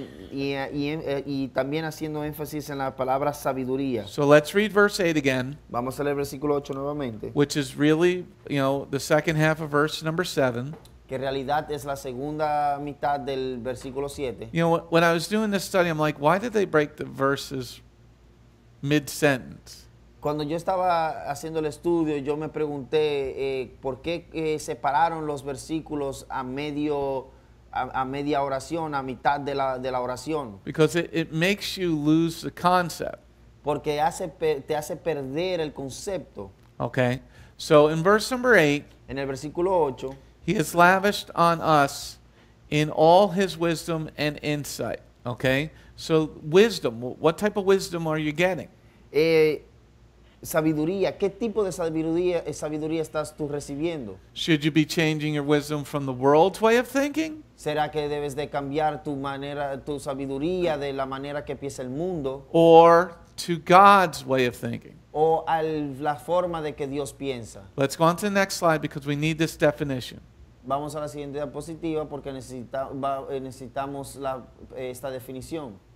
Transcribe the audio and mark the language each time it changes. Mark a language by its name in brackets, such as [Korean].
[Spanish] Y también haciendo énfasis en la palabra sabiduría. [English] So let's read verse 8 again. [Spanish] Vamos a leer versículo 8 nuevamente. [English] Which is really, you know, the second half of verse number 7. [Spanish] Que realidad es la segunda mitad del versículo 7. [English] You know, when I was doing this study, I'm like, why did they break the verses mid-sentence? [Spanish] Cuando yo estaba haciendo el estudio, yo me pregunté por qué separaron los versículos a media oración, a mitad de la oración. [English] Because it makes you lose the concept. [Spanish] Porque te hace perder el concepto. [English] Okay. So in verse number 8, [Spanish] en el versículo 8, [English] he has lavished on us in all his wisdom and insight. Okay. So wisdom, what type of wisdom are you getting? [Spanish] Sabiduría, ¿qué tipo de sabiduría estás tú recibiendo? [English] Should you be changing your wisdom from the world's way of thinking? [Spanish] ¿Será que debes de cambiar tu manera, tu sabiduría de la manera que piensa el mundo? [English] Or to God's way of thinking? [Spanish] O a la forma de que Dios piensa. [English] Let's go on to the next slide because we need this definition. [Spanish] Vamos a la siguiente diapositiva porque necesitamos esta definición.